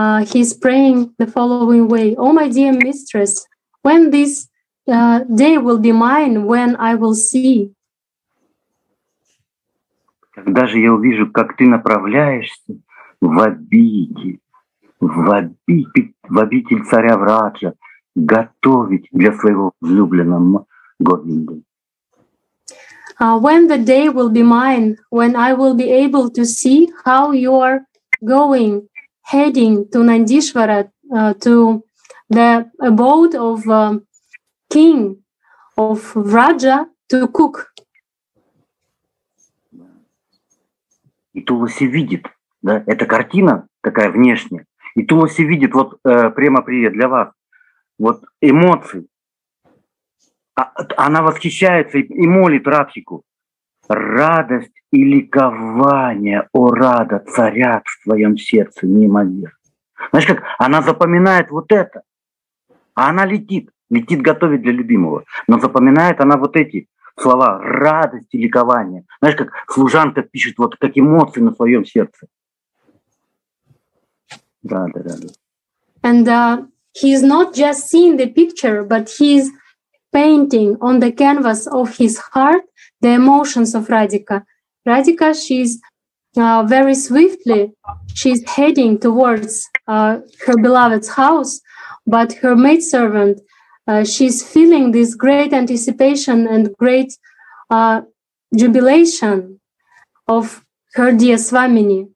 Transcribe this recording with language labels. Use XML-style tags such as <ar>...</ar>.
<en>He is praying the following way. Oh, my dear mistress, when this day will be mine, when I will see?</en> <ru>Когда же я увижу, как ты направляешься в обитель царя Враджа, готовить для своего влюбленного Говинды.</ru> <en>When the day will be mine, when I will be able to see how you are going, heading to Nandishvara, to the abode of king of Vraja, to cook.</en> <ru>И Туласи видит, да, эта картина такая внешняя, и Туласи видит, вот прямо привет для вас, вот эмоции. Она восхищается и молит Радхику. Радость и ликование, о Рада, царят в твоем сердце, неимоверно. Знаешь как, она запоминает вот это. А она летит готовить для любимого. Но запоминает она вот эти слова, радость и ликование. Знаешь как, служанка пишет, вот как эмоции на своем сердце. Да.</ru> <en>And He's not just seeing the picture, but he's painting on the canvas of his heart the emotions of Radhika. Radhika, she's very swiftly, she's heading towards her beloved's house, but her maidservant, she's feeling this great anticipation and great jubilation of her dear Swamini.</en>